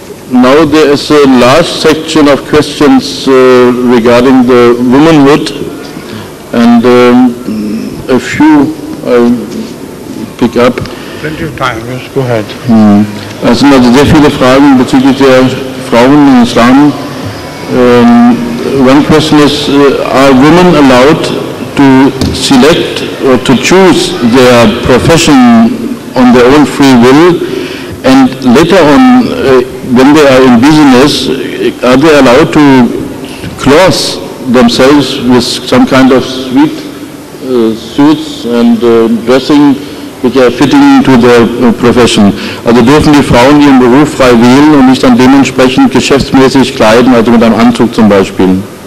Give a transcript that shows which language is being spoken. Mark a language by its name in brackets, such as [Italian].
[English] Now there is a large section of questions regarding the womanhood, and a few I'll pick up. Plenty of time, yes, go ahead. [German] Es sind also sehr viele Fragen bezüglich der Frauen im Islam. [English] One question is, are women allowed to select or to choose their profession on their own free will? And later on, when they are in business, are they allowed to clothe themselves with some kind of sweet suits and dressing which are fitting to their profession? [German] Also dürfen die Frauen ihren Beruf frei wählen und nicht dann dementsprechend geschäftsmäßig kleiden, also mit einem Anzug zum Beispiel?